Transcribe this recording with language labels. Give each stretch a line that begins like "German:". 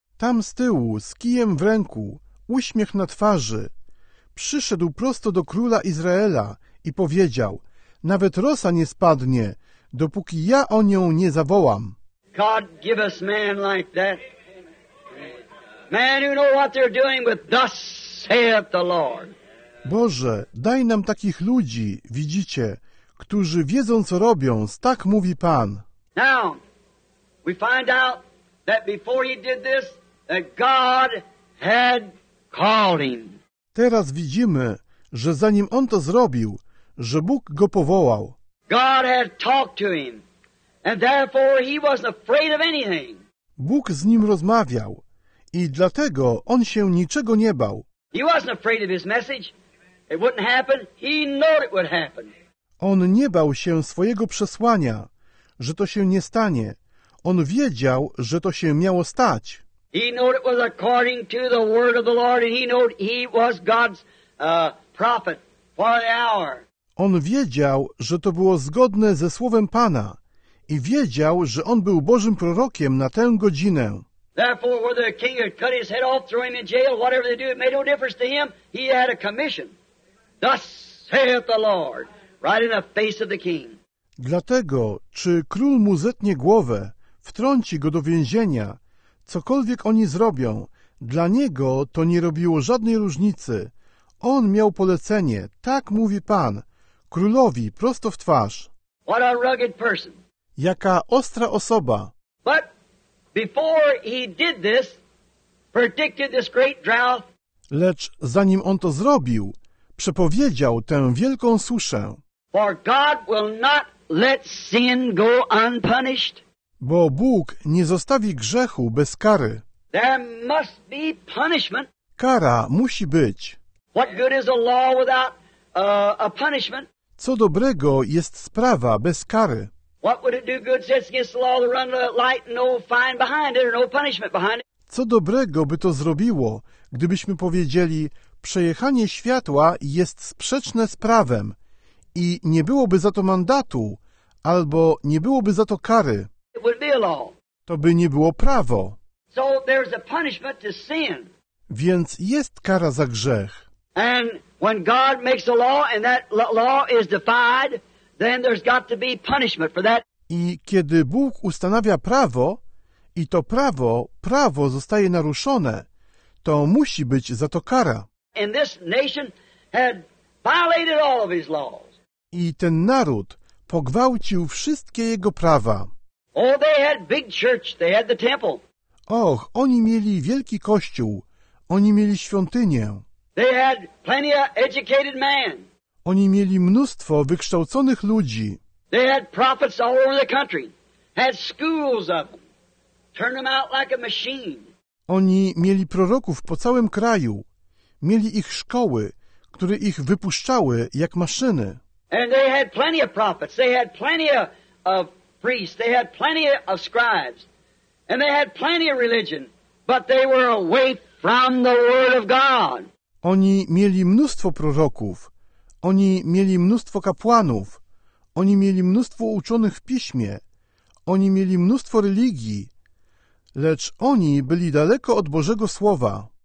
Polish: Tam z tyłu, z kijem w ręku, uśmiech na twarzy, przyszedł prosto do króla Izraela i powiedział, nawet rosa nie spadnie, dopóki ja o nią nie zawołam.
English: God give us man like that. Man who know what they're doing with thus saith the Lord.
Polish: Boże, daj nam takich ludzi, widzicie, którzy wiedzą, co robią, tak mówi Pan.
English: Now, we find out that before he did this, that God had called him.
Polish: Teraz widzimy, że zanim on to zrobił, że Bóg go powołał.
English: God had talked to him, and therefore he wasn't afraid of anything.
Polish: Bóg z nim rozmawiał i dlatego on się niczego nie bał.
English: He wasn't afraid of his message. It wouldn't happen. He knew it would happen.
Polish: On nie bał się swojego przesłania, że to się nie stanie. On wiedział, że to się miało stać.
English: He knew it was according to the word of the Lord, and he knew he was God's prophet for the hour.
Polish: On wiedział, że to było zgodne ze słowem Pana i wiedział, że on był Bożym prorokiem na tę godzinę.
English: Therefore, whether the king had cut his head off, throw him in jail, whatever they do, it made no difference to him. He had a commission. Thus saith the Lord, right in the face of the king.
Polish: Dlatego, czy król mu zetnie głowę, wtrąci go do więzienia, cokolwiek oni zrobią, dla niego to nie robiło żadnej różnicy. On miał polecenie, tak mówi Pan, królowi prosto w twarz.
English: What a rugged person.
Polish: Jaka ostra osoba.
English: But before he did this, predicted this great drought.
Polish: Lecz zanim on to zrobił, przepowiedział tę wielką suszę.
English: For God will not let sin go unpunished.
Polish: Bo Bóg nie zostawi grzechu bez kary.
English: There must be punishment.
Polish: Kara musi być.
English: What good is a law without a punishment?
Polish: Co dobrego jest sprawa bez kary?
English: What would it do good since against the law to run the light and no fine behind it or no punishment behind it?
Polish: Co dobrego by to zrobiło, gdybyśmy powiedzieli, przejechanie światła jest sprzeczne z prawem i nie byłoby za to mandatu, albo nie byłoby za to kary.
English: It would be a law.
Polish: To by nie było prawo.
English: So there's a punishment to sin.
Polish: Więc jest kara za grzech.
English: And when God makes a law and that law is defied, then there's got to be punishment for that.
Polish: I kiedy Bóg ustanawia prawo i to prawo zostaje naruszone, to musi być za to kara.
English: And this nation had violated all of his laws.
Polish: I ten naród pogwałcił wszystkie jego prawa.
English: Oh, they had big church, they had the temple.
Polish: Och, oni mieli wielki kościół, oni mieli świątynię.
English: They had plenty of educated men.
Polish: Oni mieli mnóstwo wykształconych ludzi.
English: They had prophets all over the country, had schools of them, turned them out like a machine.
Polish: Oni mieli proroków po całym kraju. Mieli ich szkoły, które ich wypuszczały jak maszyny.
English: And they had plenty of prophets, they had plenty of priests, they had plenty of scribes, and they had plenty of religion, but they were away from the word of God.
Polish: Oni mieli mnóstwo proroków, oni mieli mnóstwo kapłanów, oni mieli mnóstwo uczonych w piśmie, oni mieli mnóstwo religii, lecz oni byli daleko od Bożego Słowa.